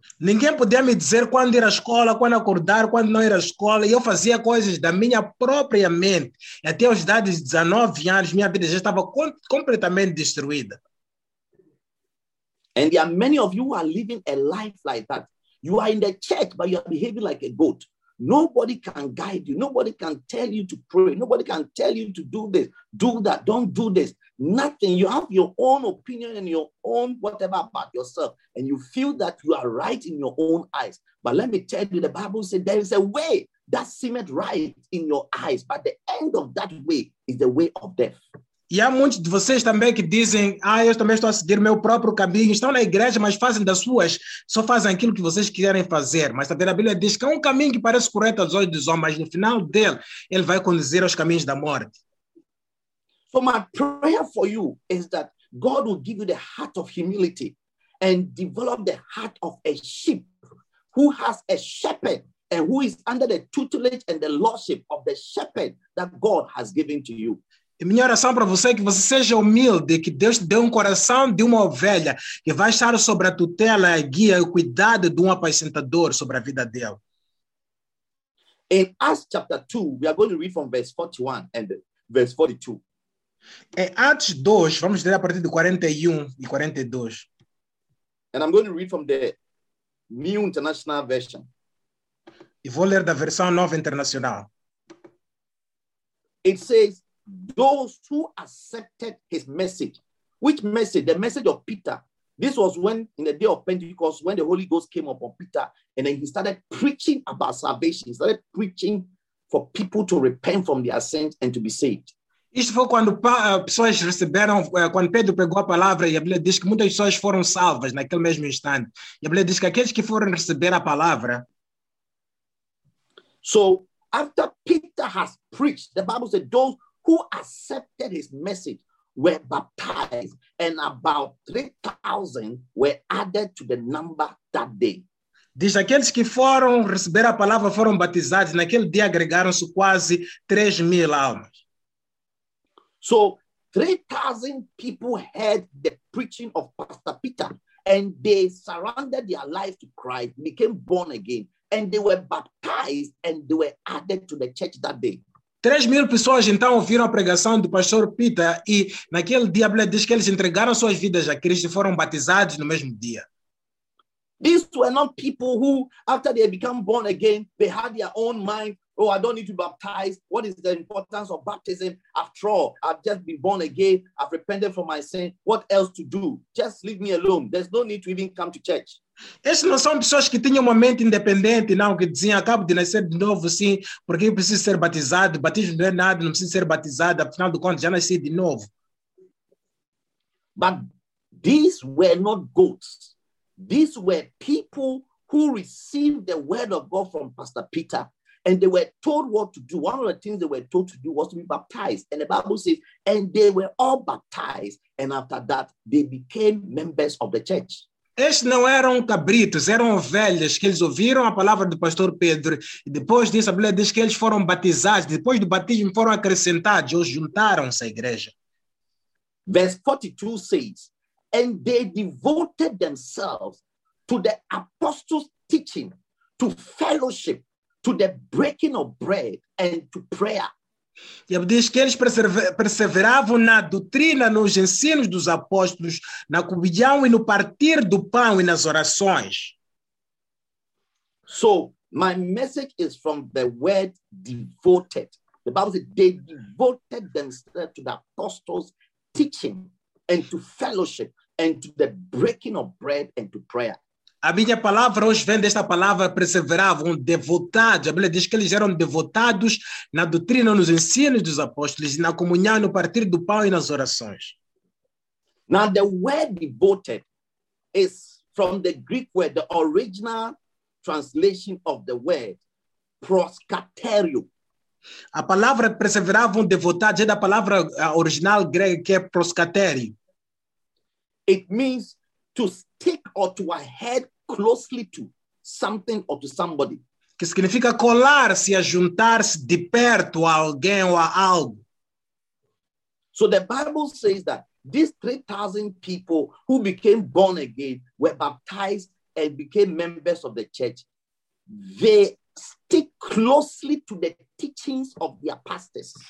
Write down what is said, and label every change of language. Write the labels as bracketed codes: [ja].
[pt] Ninguém podia me dizer quando ir à escola, quando acordar, quando não ir à escola. E eu fazia coisas da minha própria mente. E até aos idades de 19 anos, minha vida já estava completamente destruída. [en] And there are many of you who are living a life like that. You are in the church, but you are behaving like a goat. Nobody can guide you. Nobody can tell you to pray. Nobody can tell you to do this, do that, don't do this. Nothing. You have your own opinion and your own whatever about yourself, and you feel that you are right in your own eyes. But let me tell you, the Bible says there is a way that seemeth right in your eyes, but the end of that way is the way of death. [pt] E há muitos de vocês também que dizem, ah, eu também estou a seguir meu próprio caminho. Estão na igreja, mas fazem das suas, só fazem aquilo que vocês querem fazer. Mas também a Bíblia diz que é um caminho que parece correto aos olhos dos homens, mas no final dele, ele vai conduzir aos caminhos da morte. [en] So my prayer for you is that God will give you the heart of humility and develop the heart of a sheep who has a shepherd and who is under the tutelage and the lordship of the shepherd that God has given to you. [pt] E minha oração para você é que você seja humilde, que Deus te dê um coração de uma ovelha que vai estar sobre a tutela, a guia e o cuidado de um apacentador sobre a vida dela. [en] In Acts chapter 2, we are going to read from verse 41 and verse 42. [pt] Em Atos 2, vamos ler a partir de 41 e 42. [en] And I'm going to read from the New International Version. [pt] E vou ler da versão nova internacional. [en] It says, those who accepted his message. Which message? The message of Peter. This was when, in the day of Pentecost, when the Holy Ghost came upon Peter, and then he started preaching about salvation. He started preaching for people to repent from their sins and to be saved. [pt] Isto foi quando pessoas receberam, quando Pedro pegou a palavra, e a Bíblia diz que muitas pessoas foram salvas naquele mesmo instante. E a Bíblia diz que aqueles que foram receber a palavra. [en] So, after Peter has preached, the Bible said, those who accepted his message were baptized, and about 3,000 were added to the number that day. [pt] Diz, aqueles que foram receber a palavra foram batizados, naquele dia agregaram-se quase 3 mil almas. [en] So, 3,000 people heard the preaching of Pastor Peter, and they surrendered their life to Christ, became born again, and they were baptized, and they were added to the church that day. [pt] 3 mil pessoas, então, ouviram a pregação do Pastor Peter, e naquele dia, a Bíblia diz que eles entregaram suas vidas a Cristo e foram batizados no mesmo dia. [en] These were not people who, after they had become born again, they had their own mind. Oh, I don't need to baptize. What is the importance of baptism? After all, I've just been born again. I've repented from my sin. What else to do? Just leave me alone. There's no need to even come to church. [pt] Essas não são pessoas que tinham uma mente independente, não, que diziam, acabo de nascer de novo, sim, porque eu preciso ser batizado. Batismo não é nada, não preciso ser batizado. Afinal de contas, já nasci de novo. [en] But these were not goats. These were people who received the word of God from Pastor Peter. And they were told what to do. One of the things they were told to do was to be baptized. And the Bible says, and they were all baptized. And after that, they became members of the church. [pt] Estes não eram cabritos, eram ovelhas, que eles ouviram a palavra do pastor Pedro. E depois disso, a Bíblia diz que eles foram batizados. Depois do batismo, foram acrescentados, ou juntaram-se à igreja. [en] Verse 42 says, and they devoted themselves to the apostles' teaching, to fellowship, to the breaking of bread and to prayer. [pt] E diz que eles perseveravam na doutrina, nos ensinos dos apóstolos, na comunhão e no partir do pão e nas orações. [en] So, my message is from the word devoted. The Bible says they devoted themselves to the apostles' teaching and to fellowship and to the breaking of bread and to prayer. [pt] A minha palavra hoje vem desta palavra, perseveravam, devotados. A Bíblia diz que eles eram devotados na doutrina, nos ensinos dos apóstolos, na comunhão, no partir do pão e nas orações. [en] Now, the word devoted is from the Greek word, the original translation of the word, proskatério. [pt] A palavra perseveravam, devotados, é da palavra original grega, que é proskatério. [en] It means to stick or to adhere closely to something or to somebody. [pt] Que significa colar-se, ajuntar-se de perto a alguém ou a algo. [en] So the Bible says that these 3,000 people who became born again were baptized and became members of the church. They stick closely to the teachings of their pastors.